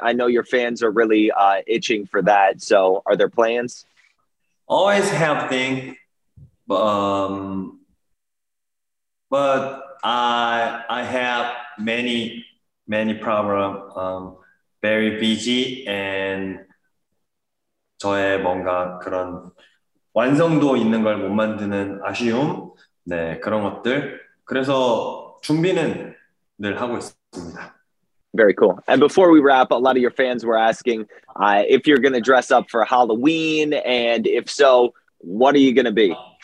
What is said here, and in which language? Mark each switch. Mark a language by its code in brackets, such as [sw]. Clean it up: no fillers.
[en] I know your fans are really itching for that. So are there plans? Always have things. But I have many, many problems. Very busy. [ko] And 저의 뭔가 그런 완성도 있는 걸 못 만드는 아쉬움. 네, 그런 것들. 그래서 준비는 늘 하고 있습니다. [en] Very cool. And before we wrap, a lot of your fans were asking if you're going to dress up for Halloween, and if so, what are you going to be?